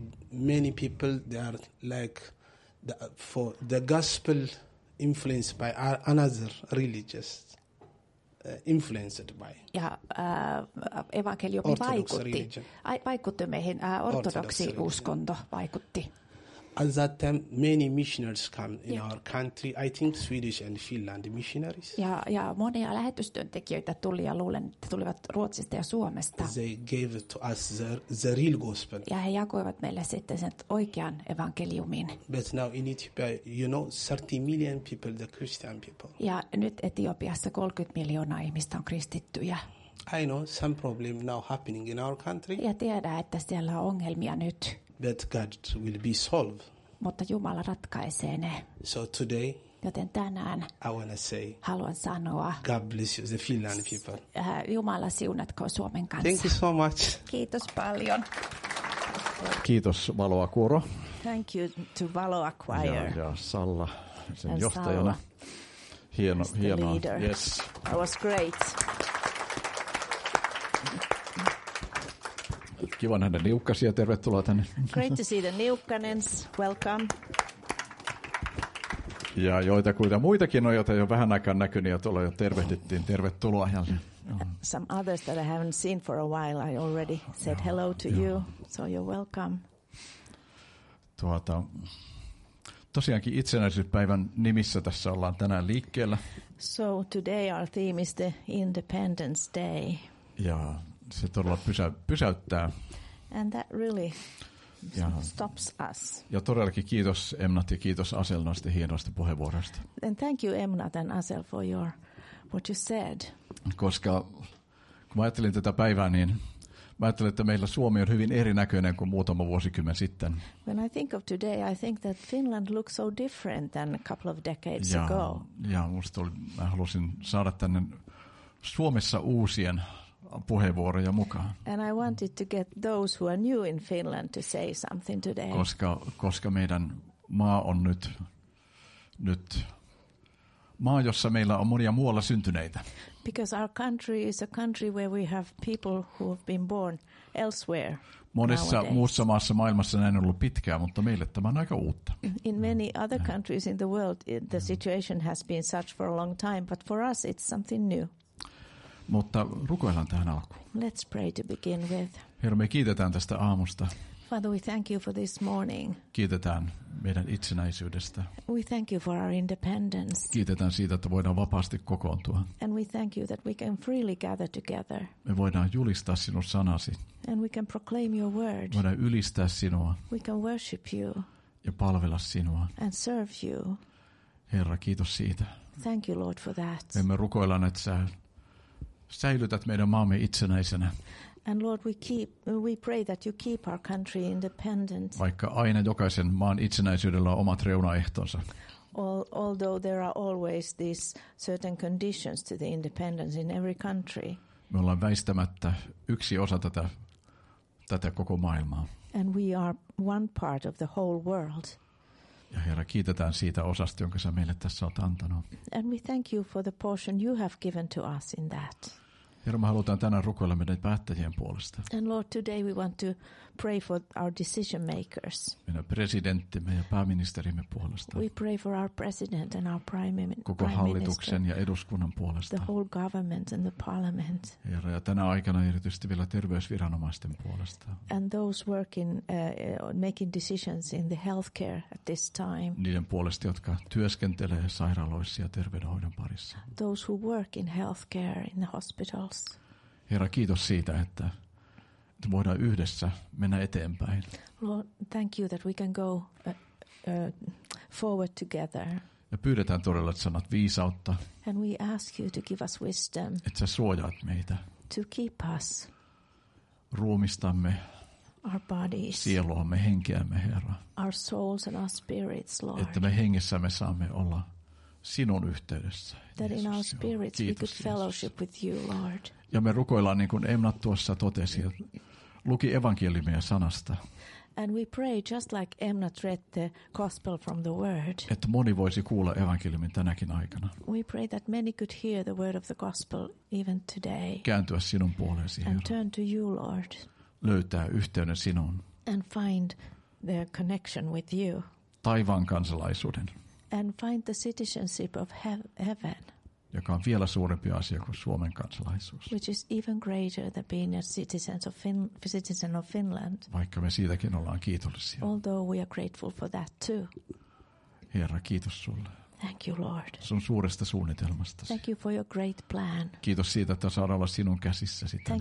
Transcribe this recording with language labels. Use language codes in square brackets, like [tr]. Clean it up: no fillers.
[en] Many people they are like for the gospel. Influenced by another religious, influenced by. [fi] Ja evankeliumi vaikutti meihin, ortodoksi uskonto vaikutti. [en] At that time, many missionaries come in our country. I think Swedish and Finland missionaries. [fi] Ja monia lähetystyöntekijöitä tuli ja luulen, että tulivat Ruotsista ja Suomesta. [en] They gave to us the real gospel. [fi] Ja he jakoivat meille sitten sen oikean evankeliumin. [en] But now in Ethiopia, you know, 30 million people, the Christian people. [fi] Ja nyt Etiopiassa 30 miljoonaa ihmistä on kristittyjä. [en] I know some problem now happening in our country. [fi] Ja tiedän, että siellä on ongelmia nyt. [en] That God will be solved. [fi] Mutta Jumala ratkaisee ne. [en] So today, [fi] joten tänään, [en] I wanna say, [fi] haluan sanoa, [en] God bless you, the Finland people. [fi] Jumala siunatko Suomen kanssa. [en] Thank you so much. [fi] Kiitos paljon. Kiitos Valoa Kuoro. [en] Thank you to Valoa Choir. [fi] Ja Salla sen and johtajana. Hienoa. [en] Yes. That was great. [fi] Kiva nähdä Niukkasia. Tervetuloa tänne. [en] Great to see the Niukkanens. Welcome. [fi] Ja joita kuita muitakin on, joita jo vähän aikaan näkynyt ja tuolla jo tervehdittiin. Tervetuloa. [en] Some others that I haven't seen for a while, I already said hello to you. So you're welcome. [fi] Tosiaankin itsenäisyyspäivän nimissä tässä ollaan tänään liikkeellä. [en] So today our theme is the Independence Day. [fi] Jaa. Se todella pysäyttää. [en] And that really stops us. [fi] Ja todellakin kiitos Emnat ja kiitos Asel noista hienoista puheenvuoroista. [en] And thank you Emnat and Asel for your what you said. [fi] Koska kun mä ajattelin tätä päivää, niin mä ajattelin, että meillä Suomi on hyvin erinäköinen kuin muutama vuosikymmen sitten. [en] When I think of today, I think that Finland looks so different than a couple of decades ago. [fi] Ja musta oli, mä halusin saada tänne Suomessa uusien puheenvuoroja mukaan. [en] And I wanted to get those who are new in Finland to say something today. [fi] Koska meidän maa on nyt maa, jossa meillä on monia muualla syntyneitä. [en] Because our country is a country where we have people who have been born elsewhere. [fi] Monessa muussa maassa maailmassa näin on ollut pitkään, mutta meille tämä on aika uutta. [en] In many other countries in the world the situation has been such for a long time, but for us it's something new. [fi] Mutta rukoillaan tähän alkuun. [en] Let's pray to begin with. [fi] Herra, me kiitetään tästä aamusta. [en] Father, we thank you for this morning. [fi] Kiitetään meidän itsenäisyydestä. [en] We thank you for our independence. [fi] Kiitetään siitä, että voidaan vapaasti kokoontua. [en] And we thank you that we can freely gather together. [fi] Me voidaan julistaa sinun sanasi. [en] And we can proclaim your word. [fi] Voidaan ylistää sinua. [en] We can worship you. [fi] Ja palvella sinua. [en] And serve you. [fi] Herra, kiitos siitä. [en] Thank you, Lord, for that. [fi] Me rukoillaan, että sä säilytät meidän maamme itsenäisenä. [en] And Lord, we pray that you keep our country independent. [fi] Vaikka aina jokaisen maan itsenäisyydellä on omat reunaehtonsa. [en] Although there are always these certain conditions to the independence in every country. [fi] Me ollaan väistämättä yksi osa tätä koko maailmaa. [en] And we are one part of the whole world. [fi] Ja Herra, kiitetään siitä osasta, jonka sä meille tässä olet antanut. [en] And we thank you for the portion you have given to us in that. [fi] Herra, me halutaan tänään rukoilla meidän päättäjien puolesta. [en] And Lord, today we want to pray for our decision makers. [fi] Meidän presidenttimme ja pääministerimme puolesta. [en] We pray for our president and our prime minister. [fi] Koko hallituksen ja eduskunnan puolesta. [en] The whole government and the parliament. [fi] Herra, ja tänä aikana erityisesti vielä terveysviranomaisten puolesta. [en] And those working making decisions in the healthcare at this time. [fi] Niiden puolesta, jotka työskentelee sairaaloissa ja terveydenhoidon parissa. [en] Those who work in healthcare in the hospital. [fi] Herra, kiitos siitä, että voidaan yhdessä mennä eteenpäin. [en] Lord, thank you that we can go forward together. [fi] Ja pyydetään todella, että sanat viisautta. [en] And we ask you to give us wisdom. [fi] Että sä suojaat meitä. [en] To keep us. [fi] Ruumistamme. [en] Our bodies. [fi] Sieluamme, henkeämme, Herra. [en] Our souls and our spirits, Lord. [fi] Että me hengessämme saamme olla sinun yhteydessä. [en] That in our spirits we could fellowship with you, Lord. [fi] Ja me rukoillaan niin kuin Emnat tuossa totesi, luki evankeliumia sanasta. [en] And we pray just like Emnat read the gospel from the word. [fi] Että moni voisi kuulla evankeliumin tänäkin aikana. [en] We pray that many could hear the word of the gospel even today. [fi] Kääntyä sinun puoleesi, Herra. [en] And turn to you, Lord. [fi] Löytää yhteyden sinuun. [en] And find the connection with you. [fi] Taivaan kansalaisuuden. [en] And find the citizenship of heaven. [fi] joka on vielä suurempi asia kuin Suomen kansalaisuus. [en] Which is even greater than being a citizen of Finland. [fi] Vaikka me siitäkin ollaan kiitollisia. [en] Although we are grateful for that too. [fi] Herra, kiitos sulle. [en] Thank you, Lord. [fi] Sun suuresta suunnitelmastasi. [en] Thank you for your great plan. [fi] Kiitos siitä, että saadaan olla sinun käsissäsi tänään.